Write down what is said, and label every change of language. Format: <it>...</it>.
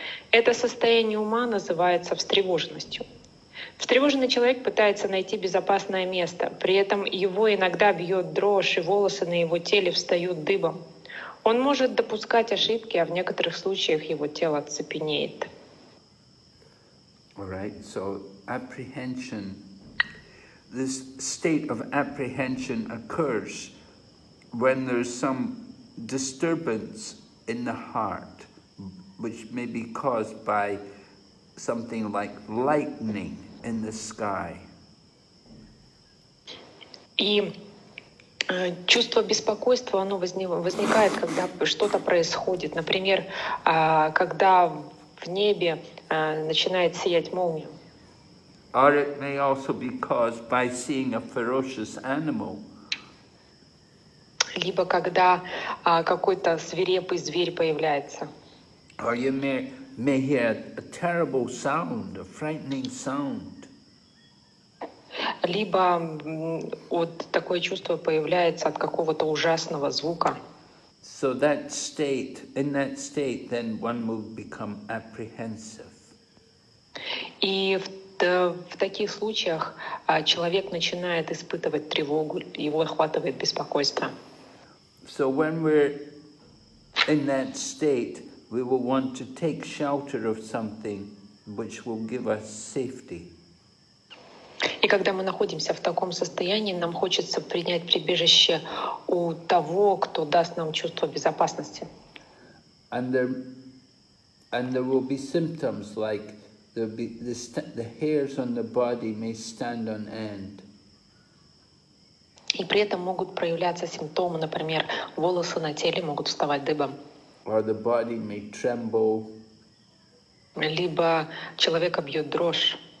<ru>Это состояние ума называется встревоженностью. Встревоженный человек пытается найти безопасное место, при этом его иногда бьет дрожь, и волосы на его теле встают дыбом. Он может допускать ошибки, а в некоторых случаях его тело цепенеет.</ru> <en>All right, so apprehension. This state of apprehension occurs when there's some disturbance in the heart, which may be caused by something like lightning in the sky.</en> <ru>И чувство беспокойства, оно возникает, когда что-то происходит. Например, когда в небе начинает сиять молния.</ru> <en>Or it may also be caused by seeing a ferocious animal.</en> <ru>Либо когда какой-то свирепый зверь появляется.</ru> <en>Or you may hear a terrible sound, a frightening sound.</en> <ru>Либо вот такое чувство появляется от какого-то ужасного звука.</ru> <en>So that state, in that state, then one will become apprehensive.</en> <ru>И в таких случаях человек начинает испытывать тревогу, его охватывает беспокойство.</ru> <en>So when we're in that state, we will want to take shelter of something which will give us safety.</en> <ru>И когда мы находимся в таком состоянии, нам хочется принять прибежище у того, кто даст нам чувство безопасности.</ru> <en>And there will be symptoms like the hairs on the body may stand on end.</en> <ru>И при этом могут проявляться симптомы, например, волосы на теле могут вставать дыбом.</ru> <en>Or the body may tremble.</en> <ru>Либо человека бьет дрожь.</ru>